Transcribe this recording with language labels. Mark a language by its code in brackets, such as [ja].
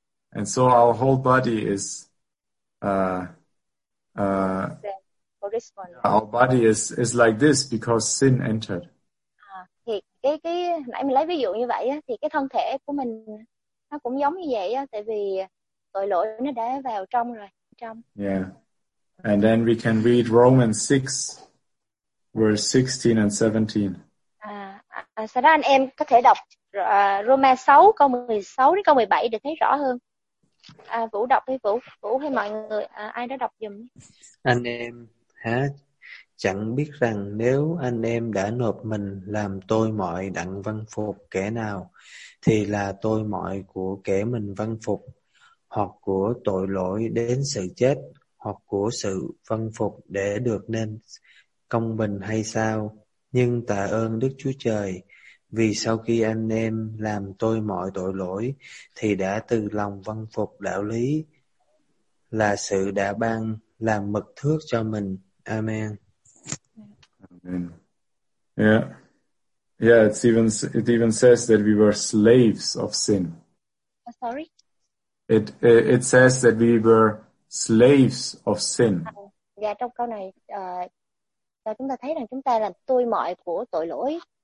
[en] And so our whole body is our body is like this because sin entered. [vi] Thì cái nãy mình lấy ví dụ như vậy á, thì cái thân thể của mình nó cũng giống như vậy á, tại vì tội lỗi nó đã vào trong rồi, trong. [en] Yeah. And then we can read Romans 6 verse 16 and 17. [vi] Sau đó anh em có thể đọc Roma 6 câu 16 đến câu 17 để thấy rõ hơn. Vũ đọc đi, Vũ hay mọi người, ai đó đọc giùm. Anh em hả? Chẳng biết rằng nếu anh em đã nộp mình làm tôi mọi đặng văn phục kẻ nào, thì là tôi mọi của kẻ mình văn phục, hoặc của tội lỗi đến sự chết, hoặc của sự văn phục để được nên công bình hay sao? Nhưng tạ ơn Đức Chúa Trời, vì sau khi anh em làm tôi mọi tội lỗi, thì đã từ lòng văn phục đạo lý, là sự đã ban làm mực thước cho mình. Amen. Amen. Yeah. [en] Yeah, it even says that we were slaves of sin. Sorry? It says that we were slaves of sin. [vi] Dạ, trong câu này, và chúng ta thấy rằng chúng ta là tôi mọi của tội lỗi.